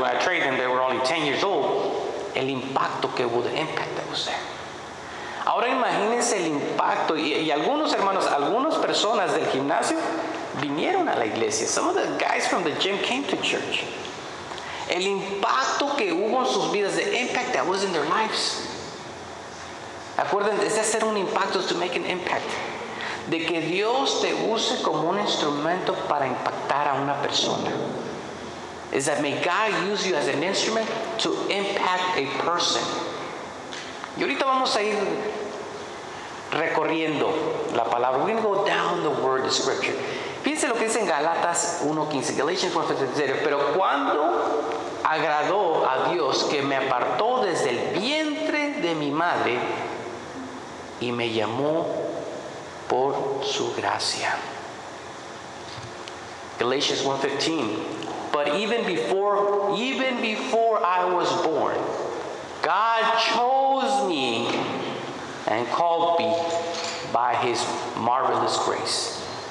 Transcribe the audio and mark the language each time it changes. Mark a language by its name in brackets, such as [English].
[English] When I trained them, they were only 10 years old. [Spanish] El impacto que hubo, [English] the impact that was there. [Spanish] Ahora imagínense el impacto. Y algunos hermanos, algunas personas del gimnasio vinieron a la iglesia. [English] Some of the guys from the gym came to church. [Spanish] El impacto que hubo en sus vidas, [English] the impact that was in their lives. [Spanish] Acuérdense, es de hacer un impacto, es [English] to make an impact. [Spanish] De que Dios te use como un instrumento para impactar a una persona. [English] Is that may God use you as an instrument to impact a person. [Spanish] Y ahorita vamos a ir recorriendo la palabra. [English] We're going to go down the word, the scripture. [Spanish] Fíjense lo que dice en Galatas 1:15, Galatians 1:15. Pero cuando agradó a Dios que me apartó desde el vientre de mi madre y me llamó por su gracia. [English] Galatians 1:15. But even before I was born, God chose me and called me by his marvelous grace.